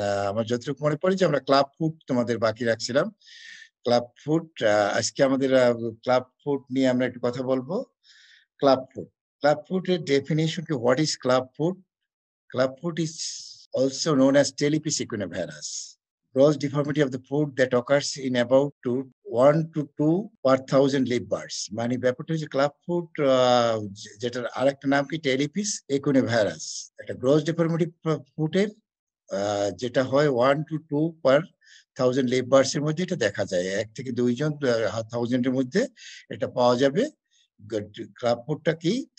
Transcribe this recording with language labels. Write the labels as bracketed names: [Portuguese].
[Bangla] আমার যতটুকু মনে পড়ে যে আমরা ক্লাব ফুট তোমাদের বাকি রাখছিলাম, ক্লাব ফুট। আজকে আমাদের ক্লাব ফুট নিয়ে আমরা একটু কথা বলবো। ক্লাব ফুট, ক্লাব ফুটের ডেফিনেশন কি? [English] What is club foot? Club foot is also known as telipes equinovarus, gross deformity of the foot that occurs in about to 1 to 2 per 1000 leaf buds. [Bangla] মানে ব্যাপারটা হচ্ছে ক্লাব ফুট, যেটার আরেকটা নাম কি টেলিপিস ইকুইনোভারাস, একটা গ্রোস ডিফর্মিটি ফুটের, যেটা হয় 1 to 2 পার 1000 লিভ বার্স এর মধ্যে এটা দেখা যায়, 1 থেকে 2 জন 1000 এর মধ্যে এটা পাওয়া যাবে। ক্লাব ফুটটা কি?